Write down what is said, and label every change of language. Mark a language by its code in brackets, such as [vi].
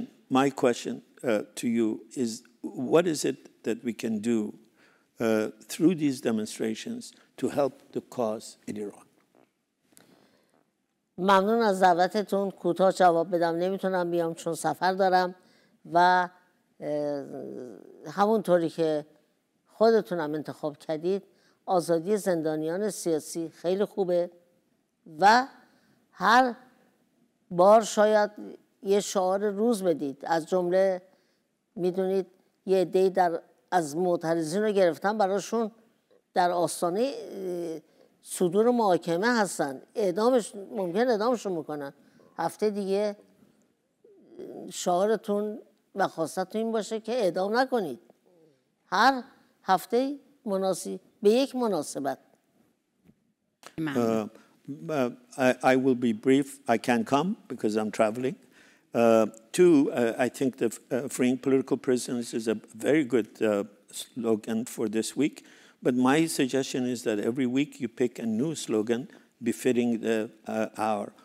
[en] My question to you is, what is it that we can do through these demonstrations to help the cause in Iran? [fa] ممنون از دعوتتون کوتاه جواب بدم نمیتونم بیام چون سفر دارم و همونطوری که خودتونم انتخاب کردید آزادی زندانیان سیاسی خیلی خوبه و هر بار شاید یه شعار روز بدید از جمله میدونید یه عده‌ای در از معترضین رو گرفتن براشون در آستانه صدور محاکمه هستن اعدامش ممکن اعدامشون میکنن هفته دیگه شعارتون و خواستتون این باشه که اعدام نکنید هر هفته مناسب به یک مناسبت [en] I will be brief I can't come because I'm traveling I think the freeing political prisoners is a very good slogan for this week. But my suggestion is that every week you pick a new slogan befitting the hour.